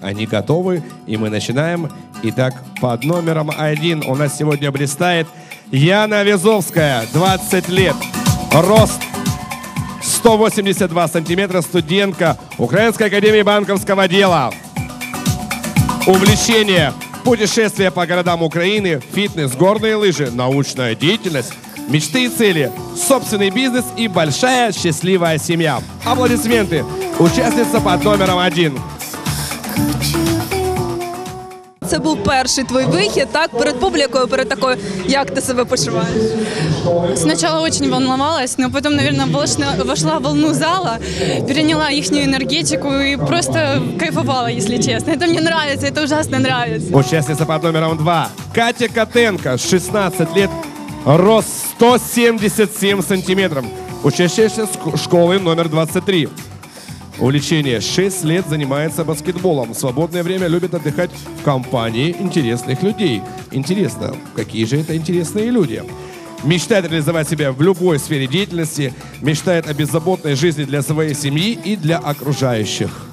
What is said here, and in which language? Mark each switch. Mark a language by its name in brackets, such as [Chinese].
[Russian] Они готовы, и мы начинаем. Итак, под номером один у нас сегодня блистает Яна Вязовская, 20 лет, рост 182 сантиметра, студентка Украинской академии банковского дела. Увлечение. Путешествия по городам Украины, фитнес, горные лыжи, научная деятельность, мечты и цели, собственный бизнес и большая счастливая семья. Аплодисменты. Участница под номером один. [Ukrainian] Це був перший твій вихід, так, перед публікою, перед такою, як ти себе почуваєш? Спочатку дуже волновалась, але потім, мабуть, вийшла волну зала, перейняла їхню енергетику і просто кайфувала, якщо чесно. Це мені подобається, це ужасно подобається. Учасниця під номером 2 – Катя Котенко, 16 років, рост 177 см, учасниця школи номер 23. [Russian] Увлечение. 6 лет занимается баскетболом. В свободное время любит отдыхать в компании интересных людей. Интересно, какие же это интересные люди? Мечтает реализовать себя в любой сфере деятельности. Мечтает о беззаботной жизни для своей семьи и для окружающих.